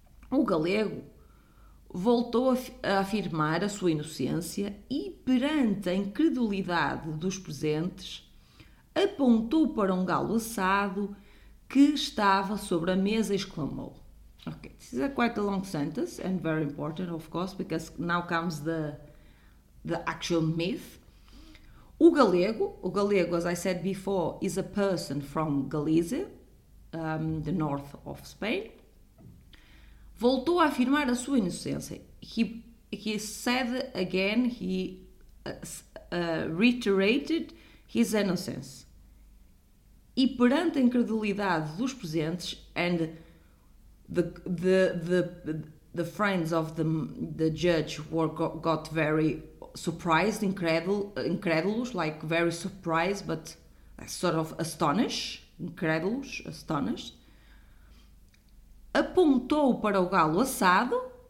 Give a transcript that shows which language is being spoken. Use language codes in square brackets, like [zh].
[pt] O galego voltou a afirmar a sua inocência e, perante a incredulidade dos presentes, apontou para um galo assado que estava sobre a mesa e exclamou. [en] Okay, this is a quite a long sentence and very important, of course, because now comes the actual myth. O galego, as I said before, is a person from Galicia, the north of Spain. [pt] Voltou a afirmar a sua inocência. [en] He said again, he reiterated his innocence. [pt] E perante a incredulidade dos presentes [en] and the friends of the judge got very surprised, incredulous, like very surprised, but sort of astonished, incredulous, astonished. [pt] Apontou para o galo assado.